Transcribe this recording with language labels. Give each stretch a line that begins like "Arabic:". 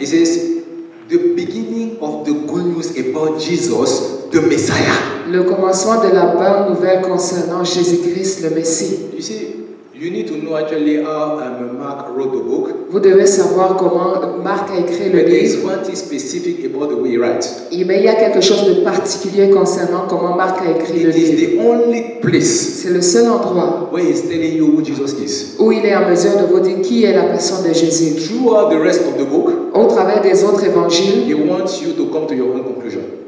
English: It says, the beginning of the good news about Jesus, the Messiah.
French: Le commencement de la bonne nouvelle concernant Jésus-Christ, le Messie.
English: You see, you need to know actually how Mark wrote the book.
French: Vous devez savoir comment Marc a écrit le livre.
English: But there is one thing specific about the way he writes.
French: Mais il y a quelque chose de particulier concernant comment Marc a écrit le livre.
English: It is the only place.
French: C'est le seul endroit
English: where he's telling you who Jesus is.
French: Où il est en mesure de vous dire qui est la personne de Jésus.
English: Throughout the rest of the book.
French: Au travers des autres évangiles.
English: He wants you to come to your own conclusion.